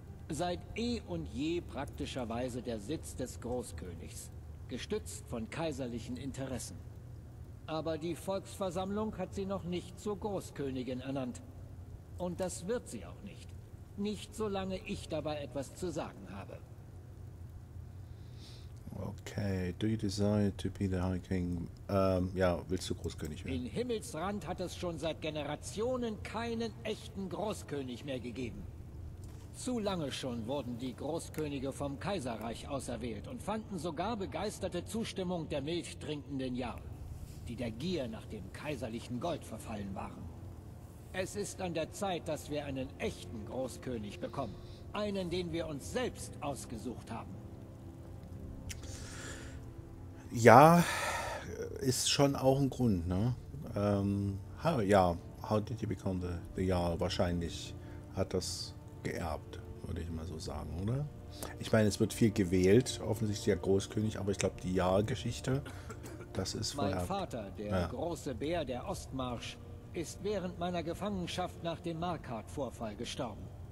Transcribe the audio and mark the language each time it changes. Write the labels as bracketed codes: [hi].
[de] Seit eh und je praktischerweise der Sitz des Großkönigs. Gestützt von kaiserlichen Interessen. Aber die Volksversammlung hat sie noch nicht zur Großkönigin ernannt. Und das wird sie auch nicht. Nicht solange ich dabei etwas zu sagen habe. [en] Okay, do you desire to be the High King? [de] Ja, willst du Großkönig werden? In Himmelsrand hat es schon seit Generationen keinen echten Großkönig mehr gegeben. Zu lange schon wurden die Großkönige vom Kaiserreich auserwählt und fanden sogar begeisterte Zustimmung der milchtrinkenden Jarl, die der Gier nach dem kaiserlichen Gold verfallen waren. Es ist an der Zeit, dass wir einen echten Großkönig bekommen. Einen, den wir uns selbst ausgesucht haben. Ja, ist schon auch ein Grund, ne? [en] How did you become the Jarl? [de] Wahrscheinlich hat das geerbt, würde ich mal so sagen, oder? Ich meine, es wird viel gewählt, offensichtlich der Großkönig, aber ich glaube, die Jarl-Geschichte, das ist vererbt. Mein Vater, der große Bär der Ostmarsch, ist während meiner Gefangenschaft nach dem Markart-Vorfall gestorben.